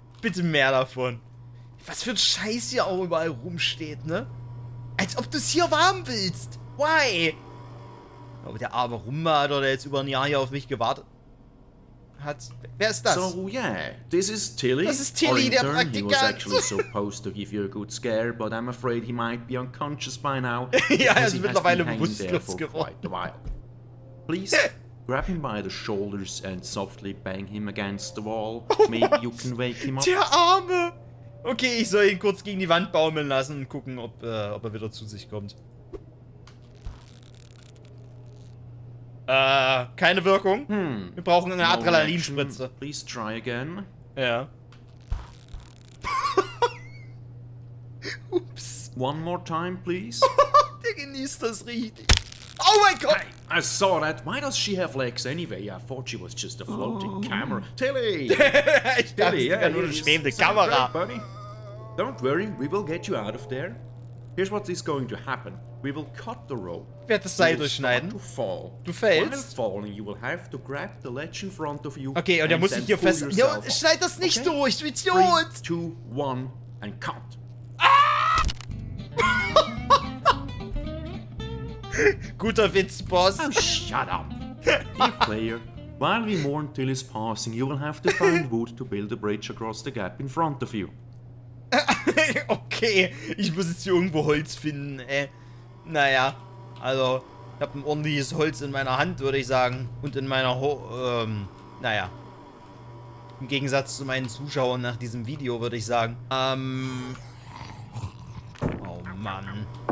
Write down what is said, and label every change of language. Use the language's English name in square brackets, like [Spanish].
[German] Bitte mehr davon. Was für ein Scheiß hier auch überall rumsteht, ne? Als ob du es hier warm willst. [English] Why? [German] Aber der arme Rummer, der jetzt über ein Jahr hier auf mich gewartet hat. Wer ist das? [English] So, yeah, this is Tilly. [German] Das ist Tilly, der Praktikant. [English] He was actually supposed to give you a good scare, but I'm afraid he might be unconscious by now. [German] Ja, er ist mittlerweile bewusstlos geworden. [English] Please grab him by the shoulders and softly bang him against the wall. Maybe you can wake him up. [German] Der Arme! Okay, ich soll ihn kurz gegen die Wand baumeln lassen und gucken, ob er wieder zu sich kommt. Keine Wirkung. Wir brauchen eine Adrenalinspritze. [English] Please try again. [German] Ja. [English] Ups. One more time, please. [German] Der genießt das richtig. Oh mein Gott! [English] I saw that. Why does she have legs anyway? I thought she was just a floating camera. Tilly! [German] Ich dachte, sie wäre nur eine schwebende Kamera. [English] Don't worry, we will get you out of there. Here's what is going to happen. We will cut the rope. [German] Wird das Seil durchschneiden? [English] To fall. [German] Du fällst. [English] While falling, you will have to grab the ledge in front of you. [German] Okay, und er muss sich hier fest. Ja, schneid das nicht durch, du Idiot! [English] 3, 2, 1, and cut. [German] Guter Witz, Boss. [English] Oh, shut up. Dear player, while we mourn Tilly's passing, you will have to find wood to build a bridge across the gap in front of you. [German] Okay, ich muss jetzt hier irgendwo Holz finden, ey. Naja, also, ich hab ein ordentliches Holz in meiner Hand, würde ich sagen. Und in meiner naja. Im Gegensatz zu meinen Zuschauern nach diesem Video, würde ich sagen. Oh, Mann.